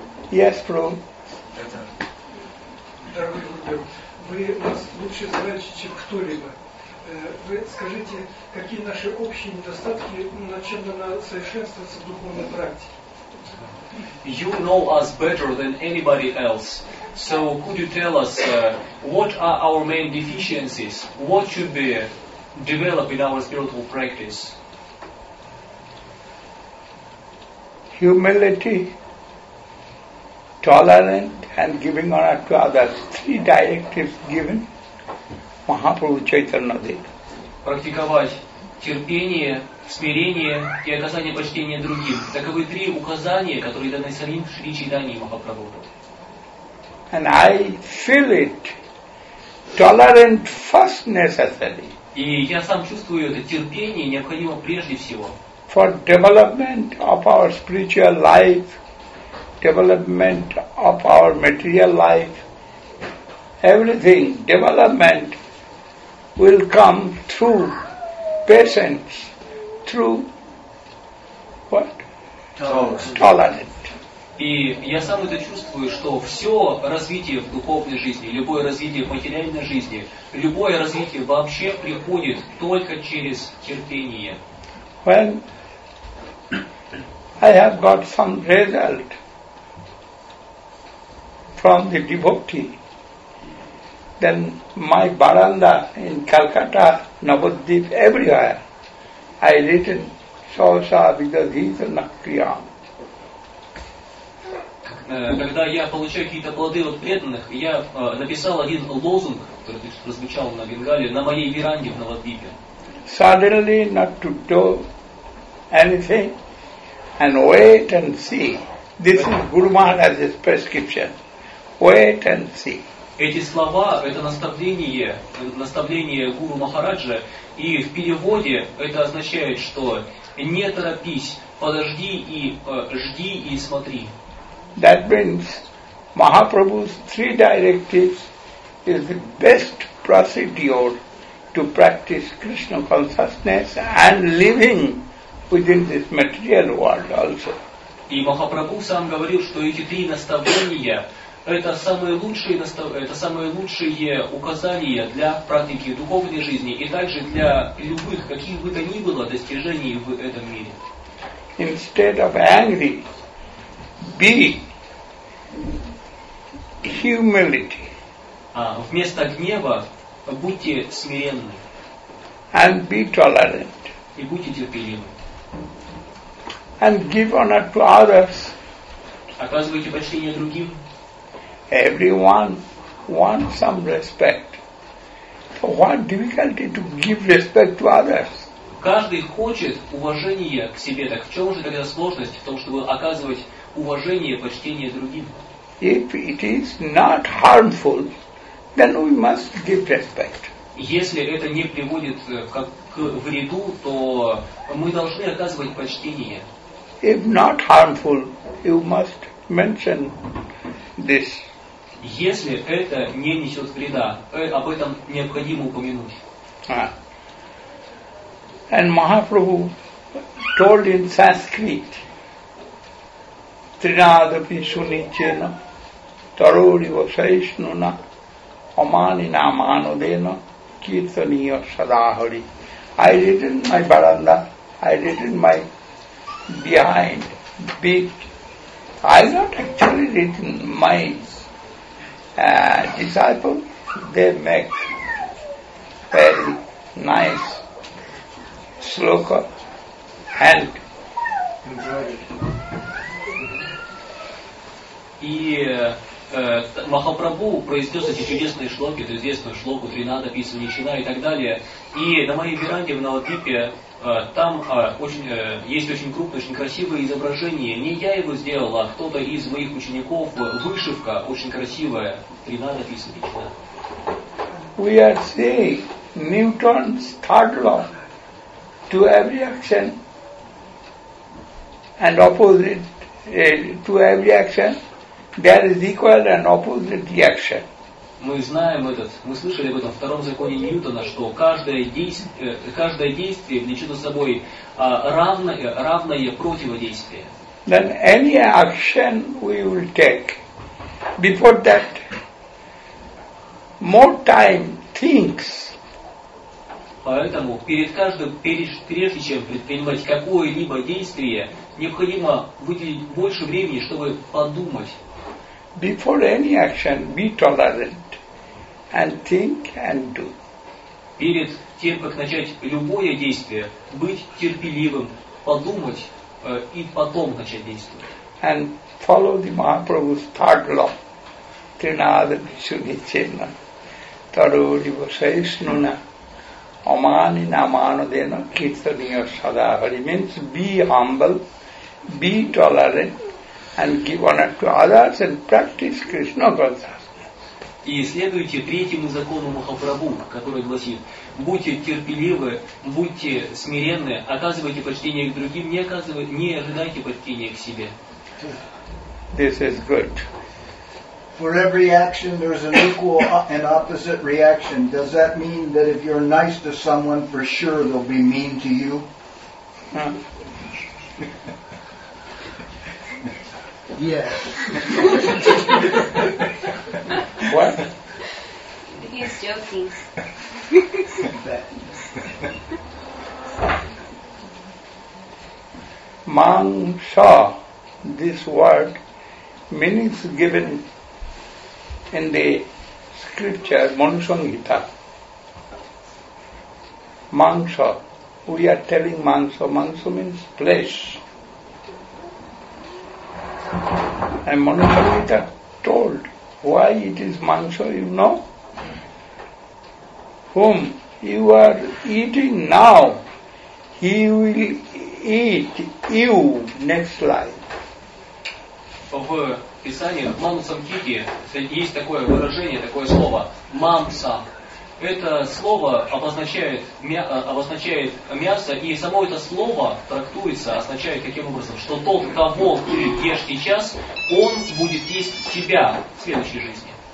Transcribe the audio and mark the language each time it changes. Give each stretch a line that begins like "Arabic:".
English: Yes, Prabhu.
Russian: Дорогой Гурудев, вы нас лучше знаете, чем кто-либо. Вы скажите, какие наши общие недостатки, над чем надо совершенствоваться в духовной практике?
English: You know us better than anybody else. So could you tell us what are our main deficiencies? What should be developed in our spiritual practice? Humility, tolerant and giving honor to others. Three directives given Mahaprabhu Chaitanya Dev.
Russian: Практиковать терпение, смирение и оказание почтения другим. Таковы три указания, которые даны самим Шри Чайтанья Махапрабху.
English: And I feel it. Tolerant first necessary.
Russian: И я сам чувствую это терпение необходимо прежде всего.
English: For development of our spiritual life, development of our material life, everything, development will come through patience, through what? Tolerance.
Russian: И я сам это чувствую, что все развитие в духовной жизни, любое развитие в материальной жизни, любое развитие вообще приходит только через терпение.
English: When I have got some result from the devotee, then my baranda in Calcutta, Navadvip, everywhere, I written Sosa Vidadhita Nakriyam.
Russian: Когда я получаю какие-то плоды от преданных, я написал один лозунг, который прозвучал на Бенгале, на моей веранде в Навадвипе.
English: Suddenly not to do anything and wait and see. This is Guru Maharaj's prescription. Wait and see.
Russian: Эти слова – это наставление Гуру Махараджа, и в переводе это означает, что не торопись, подожди и жди и смотри.
English: That means Mahaprabhu's three directives is the best procedure to practice Krishna consciousness and living within this material world also.
Russian: И Махапрабху сам говорил, что эти три наставления это самые лучшие указания для практики духовной жизни и также для любых, каких бы то ни было, достижений в этом мире.
English: Instead of angry, be humility.
Russian: Вместо гнева будьте смиренны.
English: And be tolerant.
Russian: И будьте терпеливы.
English: And give honor to others.
Russian: Оказывайте почтение другим.
English: Everyone wants some respect. So what difficulty to give respect to others?
Russian: Каждый хочет уважения к себе. Так в чем же тогда сложность в том, чтобы оказывать уважение, почтение другим?
English: If it is not harmful, then we must give respect.
Russian: Если это не приводит к вреду, то мы должны оказывать почтение.
English: If not harmful, you must mention this.
Russian: Если это не несет вреда, об этом необходимо упомянуть.
English: And Mahaprabhu told in Sanskrit,
Sanskrit: Trinadapi sunichena, tarori vasaishnuna, amanina manodena, kirtaniya sadahari.
English: I read in my baranda, I read in my behind, big. I not actually read in my disciple, they make very nice sloka and
Russian: и Махапрабху произнес эти чудесные шлоки, эту известную шлоку Тринада, Писа, Нищина и так далее. И на моей веранде в Навадвипе там есть очень крупное, очень красивое изображение. Не я его сделал, а кто-то из моих учеников. Вышивка очень красивая.
Sanskrit: Тринада, Писа, Нищина.
English: We are saying Newton's third law to every action and opposite to every action. There is equal and opposite reaction.
Russian: Мы знаем этот, мы слышали об этом втором законе Ньютона, что каждое действие влечет за собой равное противодействие.
English: Then any action we will take, before that, more time thinks.
Russian: Поэтому прежде чем предпринимать какое-либо действие, необходимо выделить больше времени, чтобы подумать.
English: Before any action, be tolerant and think and do.
Russian: Перед тем, как начать любое действие, быть терпеливым, подумать и потом начать действовать.
English: And follow the Mahaprabhu's third law.
Sanskrit: Trinadapi sunichena, tarori vasaishnuna, amanina manodena, kirtaniya sadahari.
English: Means be humble, be tolerant, and give honor to others and practice Krishna consciousness.
Russian: и следуйте третьему закону Махапрабху, который гласит: будьте терпеливы, будьте смиренны, оказывайте почтение к другим, не ожидайте почтения к себе.
English: This is good. For every action, there's an equal and opposite reaction. Does that mean that if you're nice to someone, for sure they'll be mean to you? Yes. What? He's joking. Mangsha, this word, meaning given in the scripture, Manusangita. Mangsha, we are telling Mangsha. Mangsha means flesh. And Manusangita told why it is Mangsha, you know? Whom you are eating now, he will eat you next life.
Russian: В Писании, в Мамсамхите, есть такое выражение, такое слово «мамса». Это слово обозначает мясо, и само это слово трактуется, означает таким образом, что тот, кого ты ешь сейчас, он будет есть тебя в следующей жизни.